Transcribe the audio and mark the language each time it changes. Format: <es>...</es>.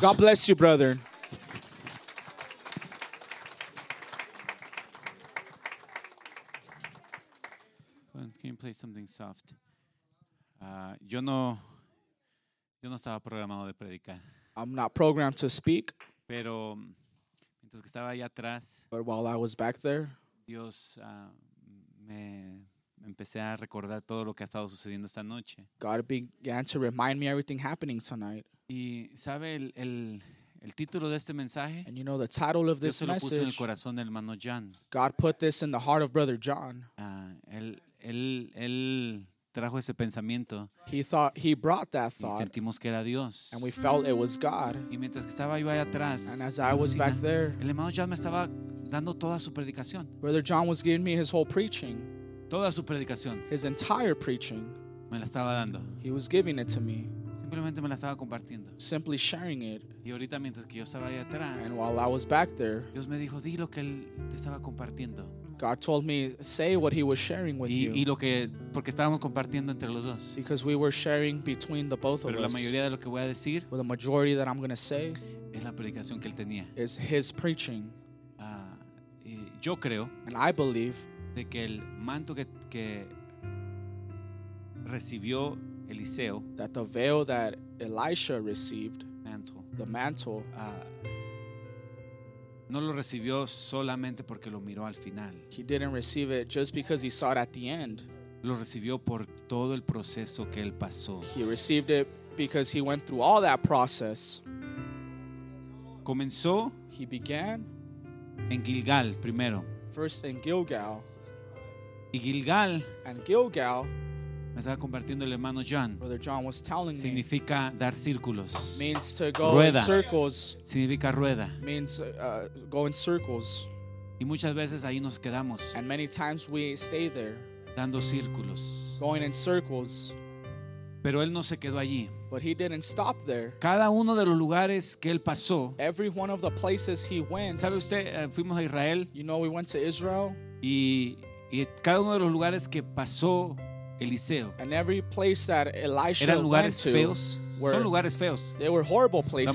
<en>God bless you brother can you play something soft</en> <es>yo no estaba programado de predicar</es> <en>I'm not programmed to speak</en> <es>pero que estaba allá atrás.</es> <en>But while I was back there,</en> <es>Dios me empecé a recordar todo lo que ha estado sucediendo esta noche.</es> <en>God began to remind me everything happening tonight.</en> <es>Y sabe el título de este mensaje.</es> <en>And you know the title of this message.</en> <es>Dios lo puso en el corazón del hermano John.</es> <en>God put this in the heart of brother John.</en> <es>Él trajo ese pensamiento.</es> <en>He thought he brought that thought.</en> <es>Y sentimos que era Dios.</es> <en>And we felt it was God.</en> <es>Y mientras que estaba yo allá atrás,</es> <en>and as I was back there,</en> <es>el hermano John me estaba dando toda su predicación.</es> <en>Brother John was giving me his whole preaching.</en> <es>Toda su predicación.</es> <en>His entire preaching.</en> <es>Me la estaba dando.</es> <en>He was giving it to me.</en> <es>Simplemente me la estaba compartiendo.</es> <en>Simply sharing it.</en> <es>Y ahorita mientras que yo estaba allá atrás,</es> <en>and while I was back there,</en> <es>Dios me dijo, di lo que él te estaba compartiendo.</es> <en>God told me, say what he was sharing with you.</en> <es>Y lo que, porque estábamos compartiendo entre los dos.</es> <en>Because we were sharing between the both</en> <es>Pero</es> <en>of</en> <es>la</es> <en>us.</en> <es>Mayoría de lo que voy a decir,</es> <en>but the majority that I'm going to say</en> <es>es la predicación que él tenía.</es> <en>Is his preaching.</en> <es>Yo creo</es> <en>and I believe</en> <es>de que el manto que recibió Eliseo,</es> <en>that the veil that Elisha received, mantle, the mantle,</en> <es>no lo recibió solamente porque lo miró al final.</es> <en>He didn't receive it just because he saw it at the end.</en> <es>Lo recibió por todo el proceso que él pasó.</es> <en>He received it because he went through all that process.</en> <es>Comenzó.</es> <en>He began</en> <es>en Gilgal primero.</es> <en>First in Gilgal.</en> <es>Y Gilgal.</es> <en>And Gilgal.</en> <es>Me estaba compartiendo el hermano John.</es> <en>Brother John was telling</en> <es>significa</es> <en>me,</en> <es>dar círculos.</es> <en>Means to go</en> <es>rueda.</es> <en>In circles.</en> <es>Significa rueda.</es> <en>Means go in circles.</en> <es>Y muchas veces ahí nos quedamos.</es> <en>And many times we stay there.</en> <es>Dando círculos.</es> <en>Going in circles.</en> <es>Pero él no se quedó allí.</es> <en>But he didn't stop there.</en> <es>Cada uno de los lugares que él pasó.</es> <en>Every one of the places he went.</en> <es>¿Sabe usted? Fuimos a Israel.</es> <en>You know we went to Israel.</en> <es>Y cada uno de los lugares que pasó Eliseo.</es> <en>And every place that Elisha</en> <es>eran lugares</es> <en>went to</en> <es>feos.</es> <en>Were,</en> <es>son lugares feos.</es> <en>They were horrible places.</en>